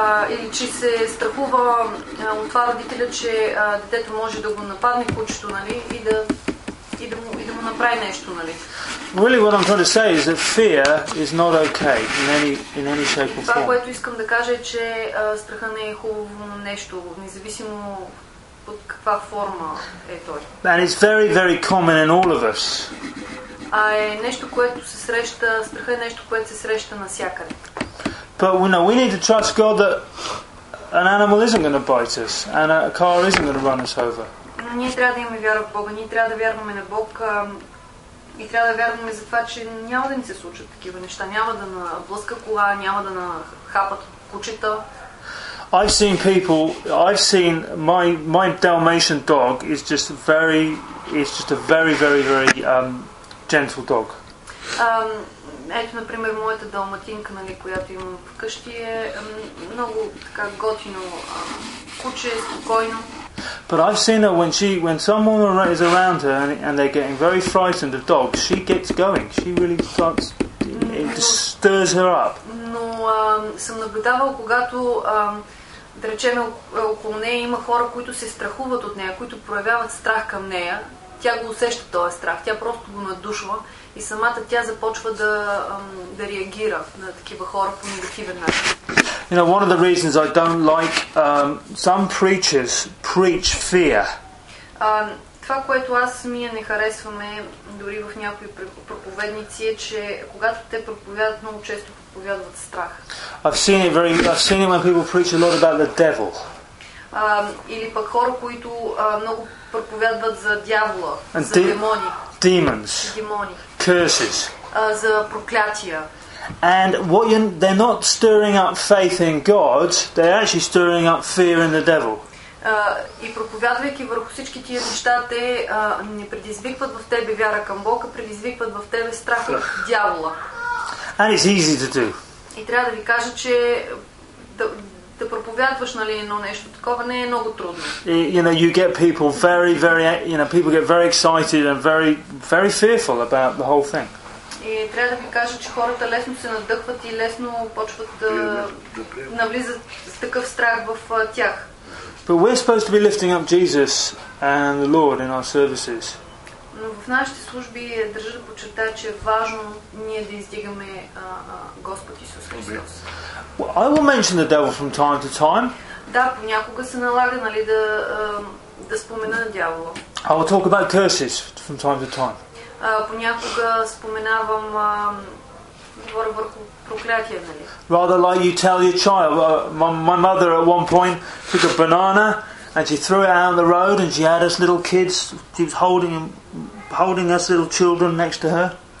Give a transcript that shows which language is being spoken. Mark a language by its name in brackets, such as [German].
[Bulgarian] Или че се страхува от това родителя, че детето може да го нападне кучето, нали, и да, и да, му, и да му направи нещо, нали. [English] Really what I'm trying to say is that fear is not okay in any shape or form. [Bulgarian] Това, което искам да кажа, е, че страха не е хубаво нещо, независимо под каква форма е той. [English] And it's very, very common in all of us. [Bulgarian] А е нещо, което се среща, страха е нещо, което се среща навсякъде. [English] But we know we need to trust God that an animal isn't going to bite us and a car isn't going to run us over. [Bulgarian] Ние трябва да имаме вяра в Бога, ние трябва да вярваме на Бог и трябва да вярваме за това, че няма да ни се случат такива неща, няма да на блъска кола, няма да на хапат кучета. [English] I've seen people, I've seen my Dalmatian dog is just a very, very gentle dog. [Bulgarian] Ето, например, моята далматинка, нали, която имам вкъщи, е много така готино куче, спокойно. [English] But I've seen her when someone is around her and they're getting very frightened of dogs, she gets going. She really starts, it stirs her up. [Bulgarian] Но съм наблюдавал, когато да речем около нея има хора, които се страхуват от нея, които проявяват страх към нея. Тя го усеща този страх, тя просто го надушва и самата тя започва да, да реагира на такива хора по негативен начин. [English] You know, one of the reasons I don't like some preachers preach fear. [Bulgarian] Това, което аз самия не харесваме дори в някои проповедници, е, че когато те проповядат, много често проповядват страх. [English] I've seen it when people preach a lot about the devil. [Bulgarian] Или пък хора, които много проповядват за дявола, за демони, [English] demons, [Bulgarian] демони, [English] curses, [Bulgarian] за проклятия. [English] And what you, they're not stirring up faith in God, they're actually stirring up fear in the devil. [Bulgarian] И проповядвайки върху всички тия неща, те не предизвикват в тебе вяра към Бог, а предизвикват в тебе страх от дявола. [English] And it's easy to do. [Bulgarian] И трябва да ви кажа, че да проповядваш, нали, едно нещо такова, не е много трудно. [English] You know, you get people very, very, you know, people get very excited and very, very fearful about the whole thing. [Bulgarian] И трябва да ви кажа, че хората лесно се надъхват и лесно почват да навлизат с такъв страх в тях. [English] But we're supposed to be lifting up Jesus and the Lord in our services. [Bulgarian] Но в нашите служби държа да подчертая, че е важно ние да издигаме Господ Исус Христос. [English] Well, I will mention the devil from time to time. [Bulgarian] Да, понякога се налага, нали, да да спомена дявола. [English] I will talk about curses from time to time. [Bulgarian] Понякога споменавам говоря върху проклятия, нали. [English] Rather like you tell your child, my mother at one point took a banana and she threw it out on the road and she had us little kids, she was holding us little children next to her.